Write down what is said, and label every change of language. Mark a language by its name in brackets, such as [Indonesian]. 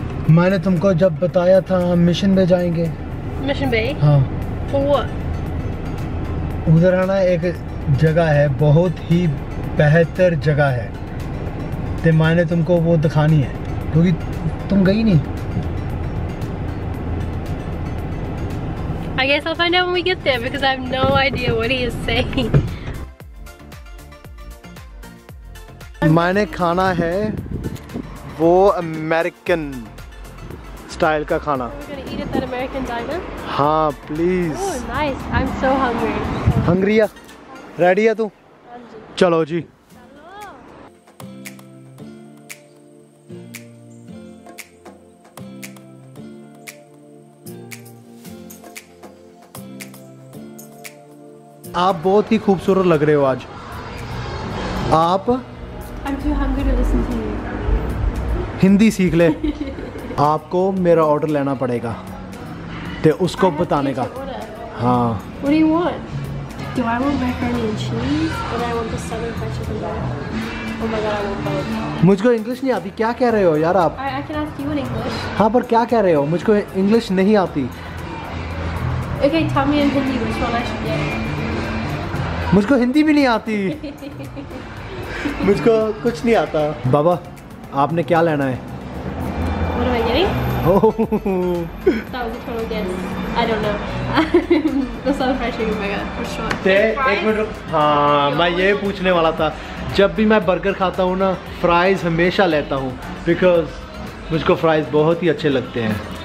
[Hindi] मैंने तुमको जब बताया था हम मिशन पे जाएंगे. मिशन पे? हाँ. [English] For what? [Hindi] उधर है ना एक जगह है बहुत ही बेहतर जगह है ते मैंने तुमको वो दिखानी है क्योंकि तुम गई नहीं. [English] I guess I'll find out when we get there because I have no idea what he is saying. [Hindi] मैंने खाना है वो अमेरिकन स्टाइल का खाना. [English] Are we gonna eat at that American diner? [Hindi] हाँ, [English] please. Oh, nice. I'm so hungry. Hungry [Hindi] ya? [English] Ready [Hindi] ya tu? Chalo ji. आप बहुत ही खूबसूरत लग रहे हो आज. आप [English] I'm too hungry to listen to you. [Hindi] Hindi सीख ले. आपको मेरा ऑर्डर लेना पड़ेगा ते उसको बताने का. हाँ. [English] What do you want? Do I want macaroni and cheese? Or do I want the southern fried chicken bag? Oh my god, I want both. [Hindi] मुझको इंग्लिश नहीं आती. क्या कह रहे हो यार आप? [English] I can ask you in English. [Hindi] हाँ पर क्या कह रहे हो? मुझको इंग्लिश नहीं आती. [English] Okay, tell me in Hindi which one I should get. [Hindi] मुझको हिंदी भी नहीं आती. मुझको कुछ नहीं आता. बाबा आपने क्या लेना है? [English] What am I getting? That was a total guess. I don't know. That's not a fresh burger, for sure. [Hindi] हाँ मैं ये पूछने वाला था. जब भी मैं बर्गर खाता हूँ ना फ्राइज हमेशा लेता हूँ बिकॉज मुझको फ्राइज बहुत ही अच्छे लगते हैं.